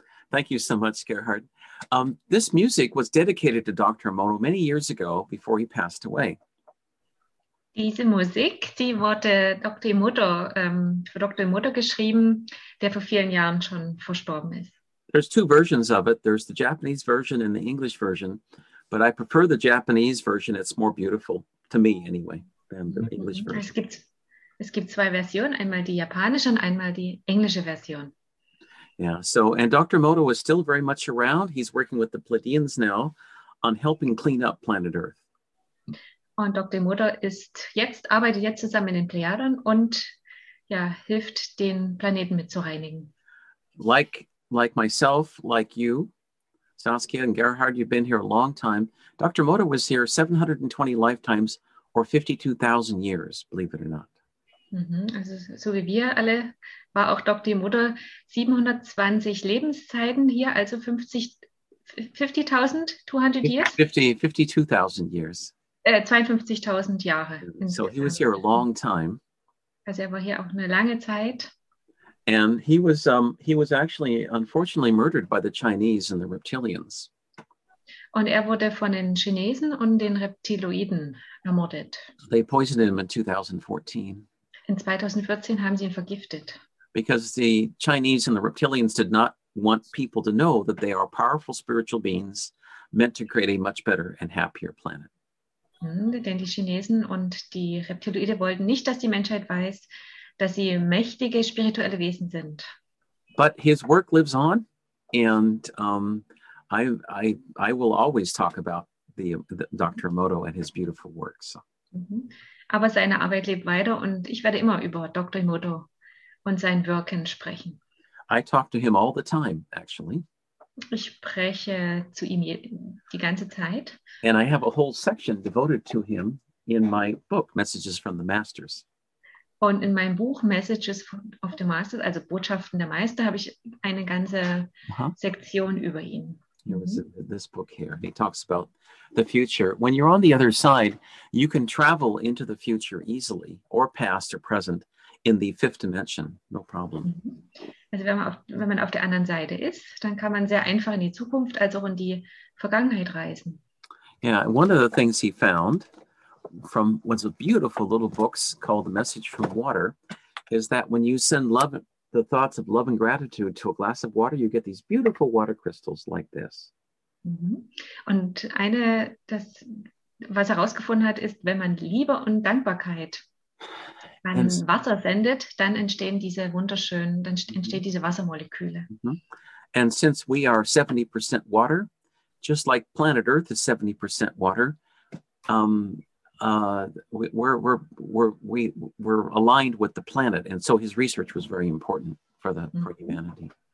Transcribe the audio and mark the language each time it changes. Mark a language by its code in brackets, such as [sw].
[en] Thank you so much, Gerhard. This music was dedicated to Dr. Mono many years ago, before he passed away. [de] Diese Musik, die wurde Dr. Emoto, für Dr. Emoto geschrieben, der vor vielen Jahren schon verstorben ist. [en] There's two versions of it. There's the Japanese version and the English version, but I prefer the Japanese version. It's more beautiful to me, anyway, than the English version. [de] Es gibt zwei Versionen, einmal die japanische und einmal die englische Version. [en] Yeah. So, and Dr. Moto is still very much around. He's working with the Pleiadians now on helping clean up planet Earth. [de] Und Dr. Moto arbeitet jetzt zusammen in den Plejaden und ja, hilft den Planeten mit zu reinigen. [en] Like myself, like you, Saskia and Gerhard, you've been here a long time. Dr. Moto was here 720 lifetimes or 52,000 years, believe it or not. Mm-hmm. [de] Also, so wie wir alle, war auch Dr. Moto 720 Lebenszeiten hier, also 50,200 years? [en] 52,000 years. [de] 52,000 Jahre. [en] So he was here a long time. [de] Also er war hier auch eine lange Zeit. [en] And he was actually, unfortunately, murdered by the Chinese and the Reptilians. [de] Und er wurde von den Chinesen und den Reptiloiden ermordet. [en] They poisoned him in 2014. [de] In 2014 haben sie ihn vergiftet. [en] Because the Chinese and the Reptilians did not want people to know that they are powerful spiritual beings meant to create a much better and happier planet. [de] Denn die Chinesen und die Reptiloide wollten nicht, dass die Menschheit weiß, dass sie mächtige spirituelle Wesen sind. [en] But his work lives on, and I will always talk about the Dr. Emoto and his beautiful works. [de] Aber seine Arbeit lebt weiter, und ich werde immer über Dr. Emoto und sein Wirken sprechen. [en] I talk to him all the time, actually. [de] Ich spreche zu ihm die ganze Zeit. [en] And I have a whole section devoted to him in my book, Messages from the Masters. [de] Und in meinem Buch Messages of the Masters, also Botschaften der Meister, habe ich eine ganze Sektion über ihn. [en] Here is this book here. He talks about the future. When you're on the other side, you can travel into the future easily, or past or present, in the fifth dimension, no problem. [de] Also wenn man auf der anderen Seite ist, dann kann man sehr einfach in die Zukunft, also auch in die Vergangenheit reisen. [en] Yeah, one of the things he found from one of the beautiful little books called The Message from Water is that when you send love, the thoughts of love and gratitude to a glass of water, you get these beautiful water crystals like this. [de] Und eine, das, was er herausgefunden hat, ist, wenn man Liebe und Dankbarkeit an Wasser sendet, dann entstehen diese wunderschönen, dann entsteht diese Wassermoleküle. [en] And since we are 70% water, just like planet Earth is 70% water, we're aligned with the planet, and so his research was very important for humanity.